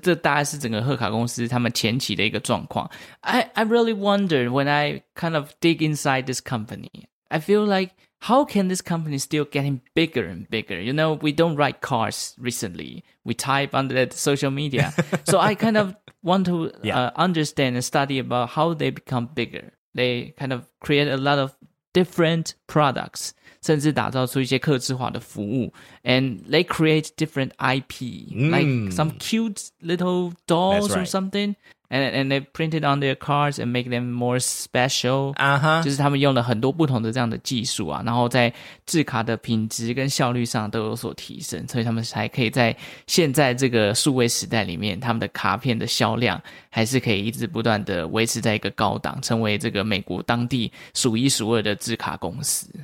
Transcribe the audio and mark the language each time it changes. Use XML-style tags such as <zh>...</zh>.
<zh>这大概是整个贺卡公司他们前期的一个状况。</zh> <en>I really wondered when I kind of dig inside this company, I feel like, how can this company still getting bigger and bigger? You know, we don't write cards recently. We type on the social media. So I kind of... want to understand and study about how they become bigger. They kind of create a lot of different products,</en> <zh>甚至打造出一些客制化的服务</zh> <en>and they create different IP, like some cute little dolls、 right. or something, and they print it on their cards and make them more special. Uh-huh.</en> <zh>就是他们用了很多不同的这样的技术啊然后在制卡的品质跟效率上都有所提升所以他们才可以在现在这个数位时代里面他们的卡片的销量还是可以一直不断的维持在一个高档成为这个美国当地数一数二的制卡公司。</zh>